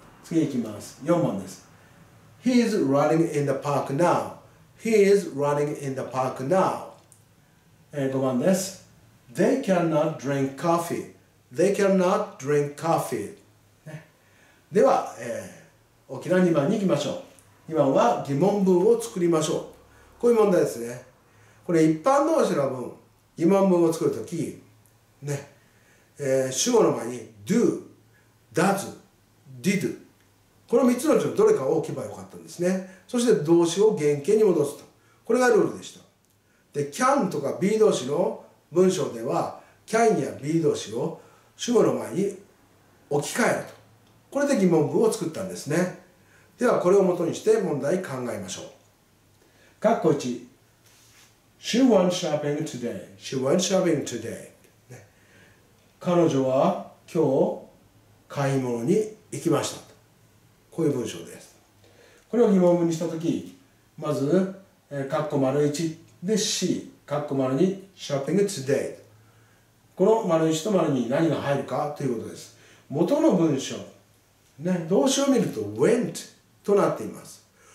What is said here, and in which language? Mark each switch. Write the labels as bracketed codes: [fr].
[ja] 次行きます。4番です。 [en] He is running in the park now. He is running in the park now. [ja] 5番です。 [en] They cannot drink coffee. They cannot drink coffee.、ね、 [ja] では、大きな2番に行きましょう。2番は疑問文を作りましょう。こういう問題ですね。これ一般動詞の文、疑問文を作るとき、ね、主語の前に do、does、did。この3つのうちのどれかを置けばよかったんですね。そして動詞を原形に戻すと。これがルールでした。で、can とか be 動詞の文章では、can や be 動詞を主語の前に置き換えると。これで疑問文を作ったんですね。では、これをもとにして問題考えましょう。カッコ1。 [en] She went shopping today. She went shopping today.、ね、 [ja] 彼女は今日買い物に行きました。とこういう文章です。これを疑問文にしたとき、まず、カッコ丸1。で、C、カッコ丸に、 [en] shopping today。 [ja] この丸1と丸に何が入るかということです。元の文章、ね、動詞を見ると、went となっています。